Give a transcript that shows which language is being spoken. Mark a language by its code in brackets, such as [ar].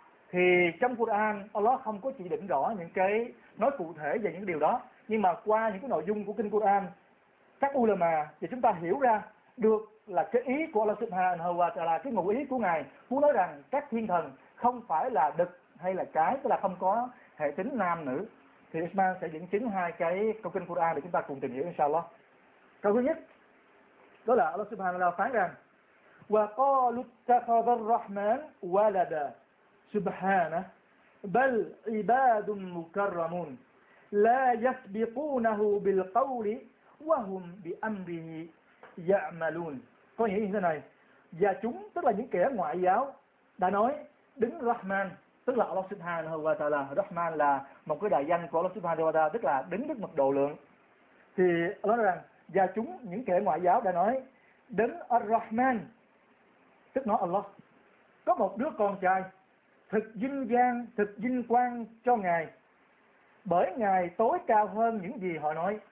[vi] Thì trong Quran, Allah không có chỉ định rõ những cái nói cụ thể về những điều đó, nhưng mà qua những cái nội dung của kinh Quran, các ulama và chúng ta hiểu ra được là cái ý của Allah Subhanahu wa Ta'ala, cái ngụ ý của Ngài muốn nói rằng các thiên thần không phải là đực hay là cái, tức là không có hệ tính nam nữ. Thì Ismail sẽ dẫn chứng hai cái câu kinh Quran để chúng ta cùng tìm hiểu inshallah. Câu thứ nhất đó là Allah Subhanahu wa Ta'ala phán rằng [ar] وَقَالُوا اتَّخَذَ الرَّحْمَنُ وَلَدًا سُبْحَانَهُ بَلْ عِبَادٌ مُكَرَّمُونَ لَا يَسْبِقُونَهُ بِالْقَوْلِ وَهُمْ بِأَمْرِهِ يَعْمَلُونَ. [vi] Có nghĩa như thế này, và chúng, tức là những kẻ ngoại giáo, đã nói đến Rahman, tức là Allah Subhanahu wa Ta'ala. Rahman là một cái đại danh của Allah Subhanahu wa Ta'ala, tức là đứng đức mật độ lượng. Thì Allah nói rằng và chúng, những kẻ ngoại giáo đã nói đến Ar-Rahman, tức nói Allah, có một đứa con trai thực vinh quang, thực vinh quang cho Ngài, bởi Ngài tối cao hơn những gì họ nói.